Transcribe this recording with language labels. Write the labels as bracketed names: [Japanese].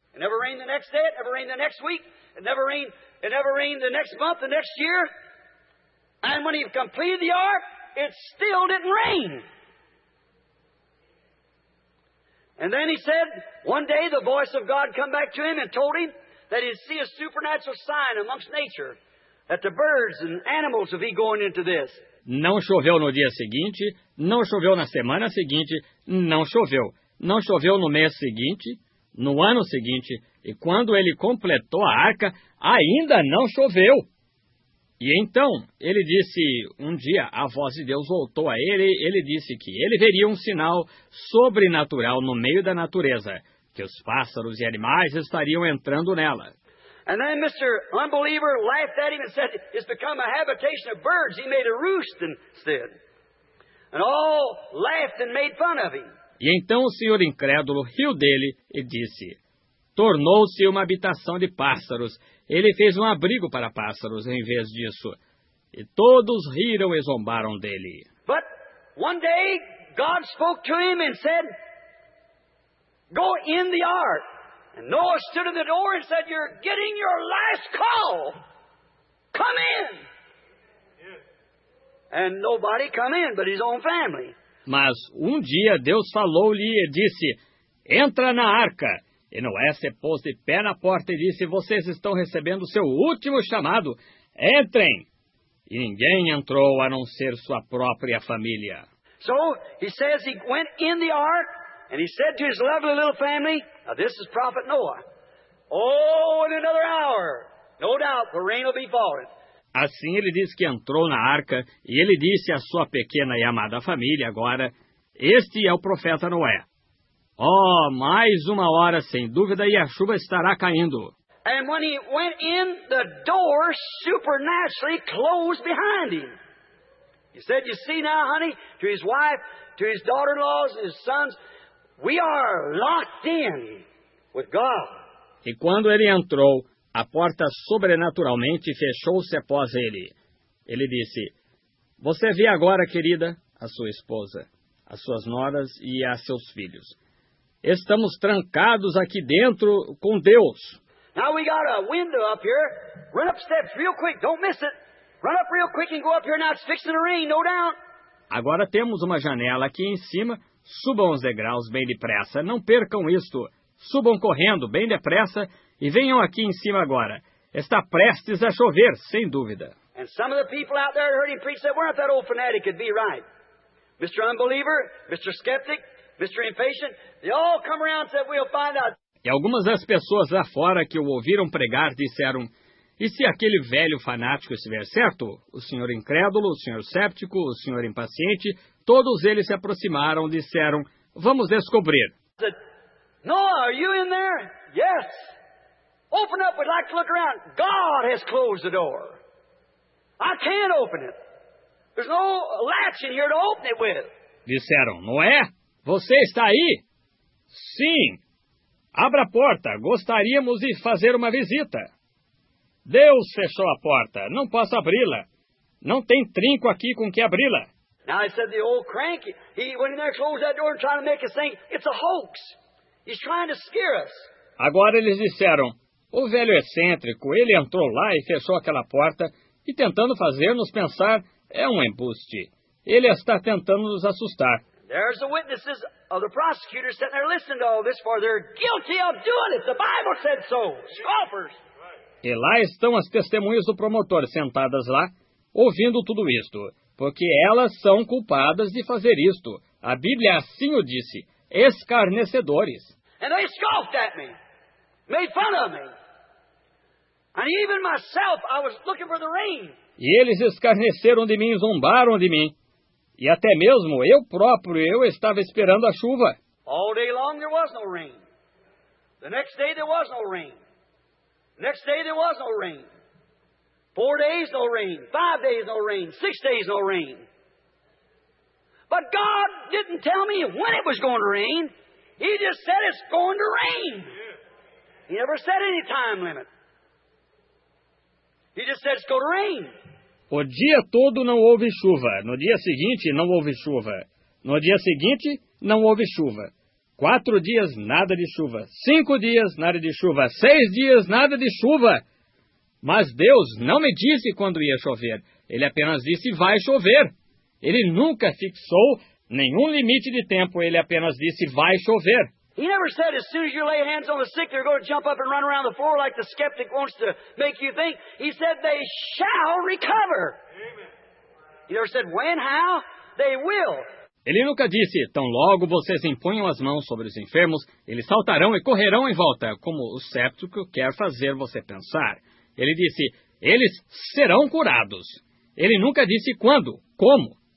[English] It never rained the next day, it never rained the next week, it never rained the next month, the next year. And when he completed the ark, it still didn't rain. And then he said, one day the voice of God come back to him and told him that he'd see a supernatural sign amongst nature, that the birds and animals would be going into this. [Portuguese] Não choveu no dia seguinte, não choveu na semana seguinte, não choveu. Não choveu no mês seguinte, no ano seguinte, e quando ele completou a arca, ainda não choveu. E então, ele disse, um dia, a voz de Deus voltou a ele, e ele disse que ele veria um sinal sobrenatural no meio da natureza, que os pássaros e animais estariam entrando nela. [English] And then Mr. Unbeliever laughed at him and said, it's become a habitation of birds. He made a roost instead. And all laughed and made fun of him. [Portuguese] E então o senhor incrédulo riu dele e disse, tornou-se uma habitação de pássaros. Ele fez um abrigo para pássaros em vez disso. E todos riram e zombaram dele. [English] But one day, God spoke to him and said, go in the ark. And Noah stood in the door and said, you're getting your last call. Come in. And nobody come in but his own family. [Portuguese] Mas um dia Deus falou-lhe e disse, entra na arca. E Noé se pôs de pé na porta e disse, vocês estão recebendo o seu último chamado. Entrem. E ninguém entrou a não ser sua própria família. [English] So, he says he went in the ark and he said to his lovely little family, now this is prophet Noah. Oh, in another hour, no doubt the rain will be falling. [Portuguese] Assim ele disse que entrou na arca, e ele disse à sua pequena e amada família agora, este é o profeta Noé. Oh, mais uma hora, sem dúvida, e a chuva estará caindo. [English] And when he went in, the door supernaturally closed behind him. He said, you see now, honey, to his wife, to his daughter-in-laws, his sons, we are locked in with God. [Portuguese] E quando ele entrou, a porta sobrenaturalmente fechou-se após ele. Ele disse, você vê agora, querida, a sua esposa, as suas noras e a seus filhos. Estamos trancados aqui dentro com Deus. [English] Now we got a window up here. Run up steps real quick. Don't miss it. Run up real quick and go up here now. It's fixing to rain, no doubt. [Portuguese] Agora temos uma janela aqui em cima. Subam os degraus bem depressa. Não percam isto. Subam correndo bem depressa. E venham aqui em cima agora. Está prestes a chover, sem dúvida. [English] And some of the people out there heard him preach that weren't that old fanatic could be right. Mr. Unbeliever, Mr. Skeptic, Mr. Impatient, they all come around and said, we'll find out. [Portuguese] E algumas das pessoas lá fora que o ouviram pregar disseram, e se aquele velho fanático estiver certo, o senhor incrédulo, o senhor séptico, o senhor impaciente, todos eles se aproximaram e disseram, vamos descobrir. [English] Said, Noah, are you in there? Yes. Open up, we'd like to look around. God has closed the door. I can't open it. There's no latch in here to open it with. [Portuguese] Disseram, Noé, você está aí? Sim. Abra a porta, gostaríamos de fazer uma visita. Deus fechou a porta, não posso abri-la. Não tem trinco aqui com que abri-la. [English] Now he said the old crank, he went in there, closed that door and trying to make us think, it's a hoax. He's trying to scare us. [Portuguese] Agora eles disseram, o velho excêntrico, ele entrou lá e fechou aquela porta e tentando fazer-nos pensar, É um embuste. Ele está tentando nos assustar. [English] There's the witnesses of the prosecutors sitting there listening to all this, for they're guilty of doing it. The Bible said so. Scoffers. [Portuguese] E lá estão as testemunhas do promotor sentadas lá, ouvindo tudo isto, porque elas são culpadas de fazer isto. A Bíblia assim o disse, escarnecedores. [English] And they scoffed at me, made fun of me. And even myself, I was looking for the rain. [Portuguese] E eles escarneceram de mim, zombaram de mim. E até mesmo eu próprio, eu estava esperando a chuva. [English] All day long there was no rain. The next day there was no rain. Next day there was no rain. 4 days no rain. 5 days no rain. 6 days no rain. But God didn't tell me when it was going to rain. He just said it's going to rain. He never said any time limit. He just said it's going to rain. [Portuguese] O dia todo não houve chuva. No dia seguinte, não houve chuva. No dia seguinte, não houve chuva. 4 dias, nada de chuva. 5 dias, nada de chuva. 6 dias, nada de chuva. Mas Deus não me disse quando ia chover. Ele apenas disse, vai chover. Ele nunca fixou nenhum limite de tempo. Ele apenas disse, vai chover. [English] He never said, as soon as you lay hands on the sick, they're going to jump up and run around the floor like the skeptic wants to make you think. He said, they shall recover. Amen. He never said, when, how? They will. [Portuguese] Ele nunca disse, tão logo vocês imponham as mãos sobre os enfermos, eles saltarão e correrão em volta, como o séptico quer fazer você pensar. Ele disse, eles serão curados. Ele nunca disse quando, como.